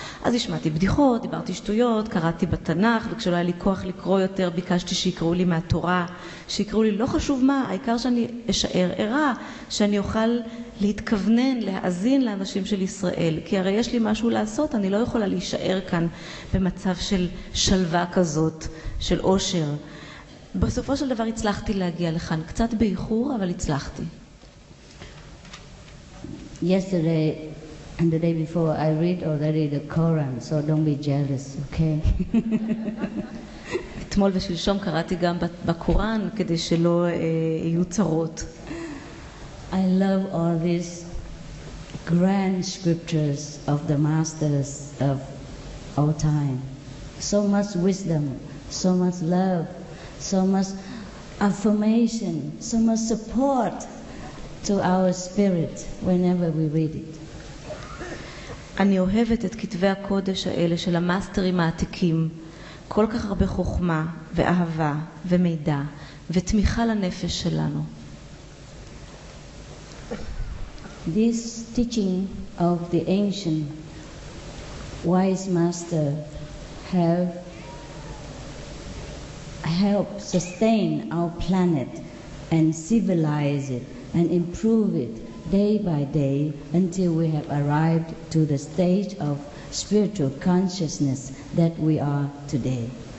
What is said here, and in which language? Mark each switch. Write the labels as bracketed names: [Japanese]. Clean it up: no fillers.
[Hebrew] אז השמעתי בדיחות, דיברתי שטויות, קראתי בתנ"ך, וכשלא היה לי כוח לקרוא יותר, ביקשתי שיקראו לי מהתורה, שיקראו לי לא חשוב מה, העיקר שאני אשאר ערה, שאני אוכל להתכוונן, להאזין לאנשים של ישראל. כי הרי יש לי משהו לעשות, אני לא יכולה להישאר כאן במצב של שלווה כזאת, של עושר. בסופו של דבר הצלחתי להגיע לכאן, קצת באיחור, אבל הצלחתי. [English] Yesterday and the day before I read already the Quran, so don't be jealous, okay? [Hebrew] אתמול ושלשום קראתי גם בקוראן כדי שלא יהיו צרות. [English] I love all these grand scriptures of the masters of all time. So much wisdom, so much love, so much affirmation, so much support to our spirit whenever we read it. [Hebrew] אני אוהבת את כתבי הקודש האלה של המאסטרים העתיקים, כל כך הרבה חוכמה ואהבה ומידע ותמיכה לנפש שלנו. [English] This teaching of the ancient wise master helped sustain our planet and civilize it and improve it day by day until we have arrived to the stage of spiritual consciousness that we are today.